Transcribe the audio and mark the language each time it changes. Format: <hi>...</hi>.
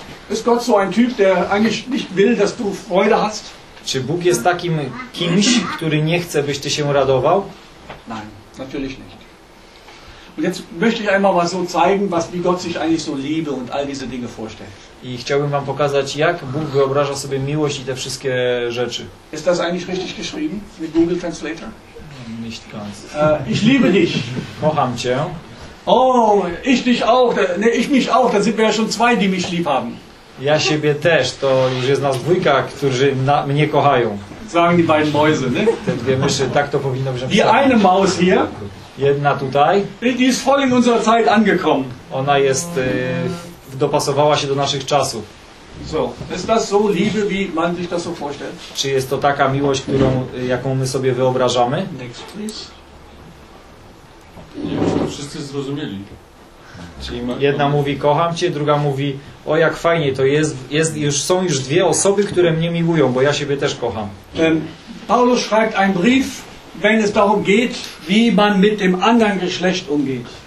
<de>Ist Gott so ein Typ, der eigentlich nicht will, dass du Freude hast?</de> <pl>Czy Bóg jest takim kimś, który nie chce, byś ty się radował?</pl> <de>Nein, natürlich nicht. Und jetzt möchte ich einmal mal so zeigen, was wie Gott sich eigentlich so Liebe und all diese Dinge vorstellt.</de> <pl>I chciałbym wam pokazać, jak Bóg wyobraża sobie miłość i te wszystkie rzeczy.</pl> <de>Ist das eigentlich richtig geschrieben mit Google Translator? Nicht ganz. Ich liebe dich.</de> <pl>Kocham cię.</pl> <de>Oh, ich dich auch. Ne, ich mich auch. Da sind wir ja schon zwei, die mich lieb haben.</de> <pl>Ja siebie też, to już jest nas dwójka, którzy mnie kochają.</pl> <de>Sagen die beiden Mäuse, ne?</de> <pl>Te dwie myszy, tak to powinno brzmieć.</pl> <de>Die eine Maus hier.</de> <pl>Jedna tutaj.</pl> <de>Die ist voll in unserer Zeit angekommen.</de> <pl>Ona jest, dopasowała się do naszych czasów.</pl> <de>So, ist das so Liebe, wie man sich das so vorstellt?</de> <pl>Czy jest to taka miłość, którą, jaką my sobie wyobrażamy?</pl> <en>Next, please.</en> <pl>Nie wiem, czy to wszyscy zrozumieli. Czyli jedna mówi kocham cię, druga mówi o jak fajnie, to jest już, są już dwie osoby, które mnie miłują, bo ja siebie też kocham.</pl> <de>Paulus schreibt einen Brief, wenn es darum geht, wie man mit dem anderen Geschlecht umgeht.</de>